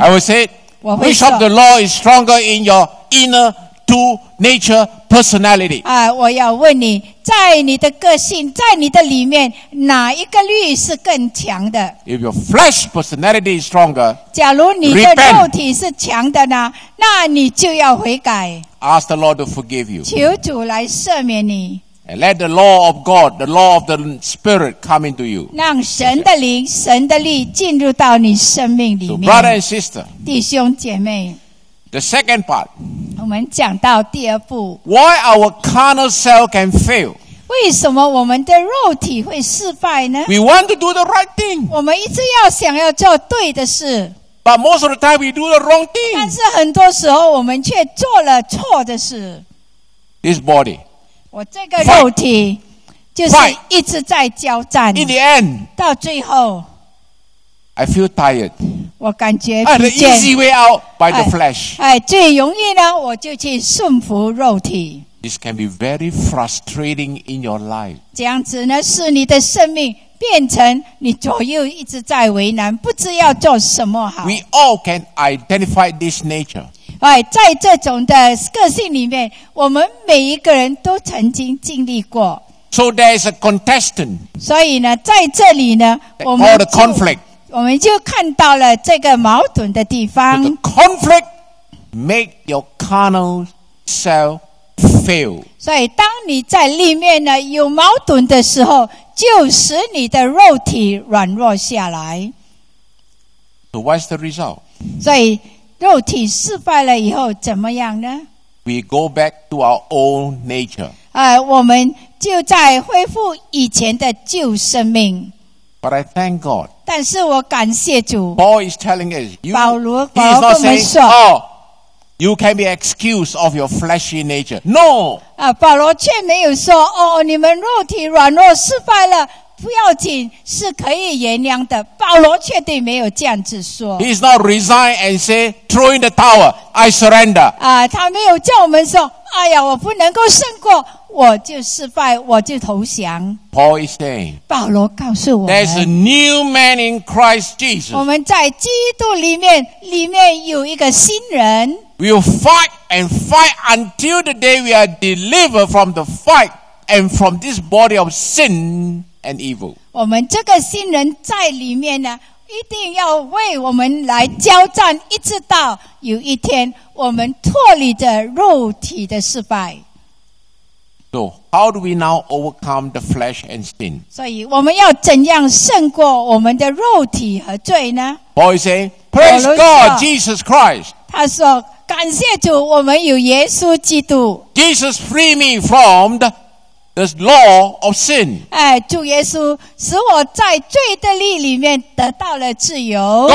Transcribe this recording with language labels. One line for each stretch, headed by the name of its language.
English: I will say, which of the law is stronger in your inner two nature personality?
Chinese: 我要问你，在你的个性，在你的里面，哪一个律是更强的?
English: If your flesh personality is stronger,
Chinese: 假如你的肉体是强的呢，那你就要悔改。
English: Ask the Lord to forgive you.
Chinese: 求主来赦免你。
English: And let the law of God, the law of the Spirit come into you.
Chinese: 让神的灵、神的律进入到你生命里面。
English: So brother and sister,
Chinese: 弟兄姐妹。
English: The second part.
Chinese: 我们讲到第二步。
English: Why our carnal self can fail?
Chinese: 为什么我们的肉体会失败呢?
English: We want to do the right thing.
Chinese: 我们一直要想要做对的事。
English: But most of the time we do the wrong thing.
Chinese: 但是很多时候我们却做了错的事。
English: This body.
Chinese: 我这个肉体就是一直在交战。
English: In the end,
Chinese: 到最后
English: I feel tired.
Chinese: 我感觉疲倦。
English: The easy way out by the flesh.
Chinese: 最容易呢，我就去顺服肉体。
English: This can be very frustrating in your life.
Chinese: 这样子呢，是你的生命变成你左右一直在为难，不知要做什么好。
English: We all can identify this nature.
Chinese: 在这种的个性里面，我们每一个人都曾经经历过。
English: So there is a contestant.
Chinese: 所以呢，在这里呢，我们
English: the conflict.
Chinese: 我们就看到了这个矛盾的地方。
English: So、the conflict make your carnal self fail.
Chinese: 所以，当你在里面呢有矛盾的时候，就使你的肉体软弱下来。
English: So what's the result?
Chinese: 所以。肉体失败了以后怎么样呢?
English: We go back to our old nature.
Chinese: 我们就在恢复以前的旧生命。
English: But I thank God.
Chinese: 但是我感谢主。
English: Paul is telling us, you,
Chinese: 保罗跟我们说
English: oh, you can be excused of your fleshy nature. No!
Chinese: 保罗却没有说 oh, 你们肉体软弱失败了。不要紧，是可以原谅的。保罗绝对没有这样子说。
English: He's not resign and say throw in the towel. I surrender.
Chinese: 他没有叫我们说，哎呀，我不能够胜过，我就失败，我就投降。
English: Paul is saying.
Chinese: 保罗告诉我们。
English: There's a new man in Christ Jesus.
Chinese: 我们在基督里面，里面有一个新人。
English: We'll fight and fight until the day we are delivered from the fight and from this body of sin.And evil.
Chinese: 我们这个新人在里面呢，一定要为我们来交战，一直到有一天我们脱离的肉体的失败。
English: So, how do we now overcome the flesh and sin?
Chinese: 所以我们要怎样胜过我们的肉体和罪呢？
English: Paul is saying, praise God, Jesus Christ.
Chinese: 他说，感谢主，我们有耶稣基督。
English: Jesus freed me from the law of sin.
Chinese: 哎，主耶稣使我在罪的律里面得到了自由。